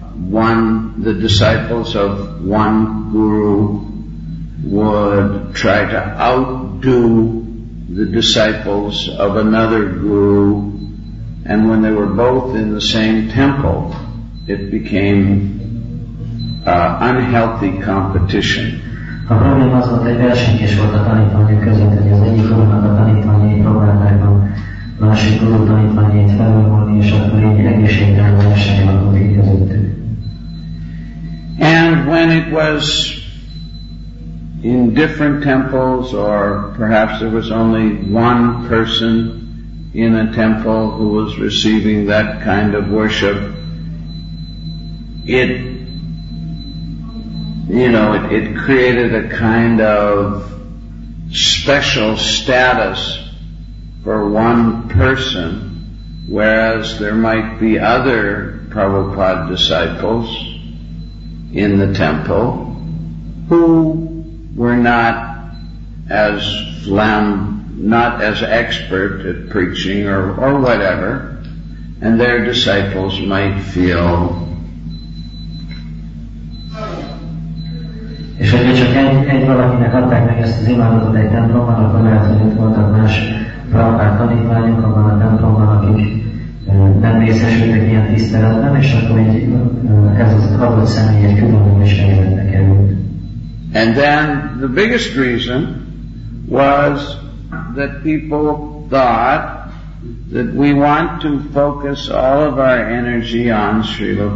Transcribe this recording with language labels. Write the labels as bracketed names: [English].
[English] One, the disciples of one guru would try to outdo the disciples of another guru, and when they were both in the same temple, it became unhealthy competition. [Hungarian] A problém az volt, hogy versenykés volt a tanítványok között, hogy az egyik gurunak a tanítványai próbálták a másik guru tanítványait felvonni, és akkor így egészségtelen verseny alakult közöttük. [English] And when it was in different temples, or perhaps there was only one person in a temple who was receiving that kind of worship, it created a kind of special status for one person, whereas there might be other Prabhupada disciples in the temple who were not as expert at preaching or whatever, and their disciples might feel. [Hungarian] És hogyha csak egy valakinek adták meg ezt az imádatot egy templomban, akkor lehet, hogy ott voltak más Prabhupád tanítványok abban a templomban, akik nem részesültek ilyen tiszteletben, és akkor ez az adott személy egy különleges helyzetbe került. [English] And then the biggest reason was that people thought that we want to focus all of our energy on Srila